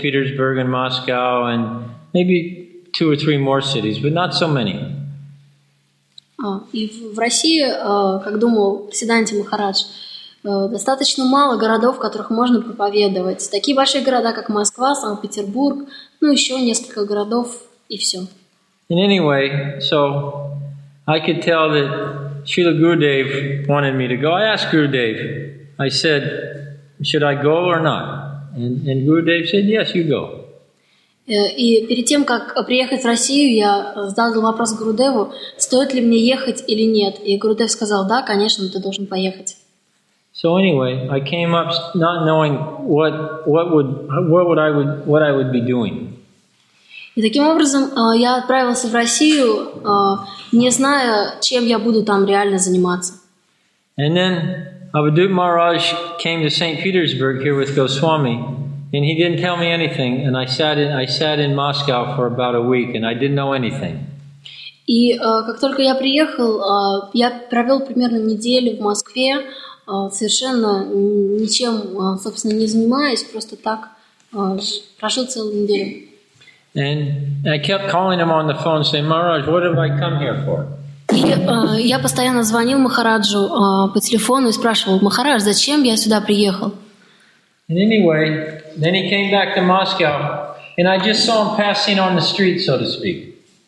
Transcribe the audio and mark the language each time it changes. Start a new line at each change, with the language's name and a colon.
English: Petersburg and Moscow and maybe two or three more cities, but not so many.
Russian: И в России, как думал Сиддханта Махарадж, достаточно мало городов, в которых можно проповедовать. Такие большие города, как Москва, Санкт-Петербург, ну еще несколько городов и все.
English: And anyway, so I could tell that Srila Gurudev wanted me to go. I asked Gurudev, I said, should I go or not? And Gurudev said, yes, you go.
Russian: И перед тем, как приехать в Россию, я задал вопрос Гурудеву, стоит ли мне ехать или нет. И Гурудев сказал, да, конечно, ты должен поехать.
English: So anyway, I came up not knowing what I would be doing.
Russian: И таким образом я отправился в Россию, не зная, чем я буду там реально заниматься.
English: And then Avadhoot Maharaj came to St. Petersburg here with Goswami, and he didn't tell me anything, and I sat in Moscow for about a week, and I didn't know anything.
Russian: И как только я приехал, я провел примерно неделю в Москве, совершенно ничем, собственно, не занимаясь, просто так прошел целую неделю.
English: And I kept calling him on the phone, saying, "Maharaj, what have I come here for?"
Russian: И я постоянно звонил Махараджу по телефону и спрашивал: "Махарадж, зачем я сюда приехал?"
English: And anyway, then he came back to Moscow, and I just saw him passing on the street, so to speak.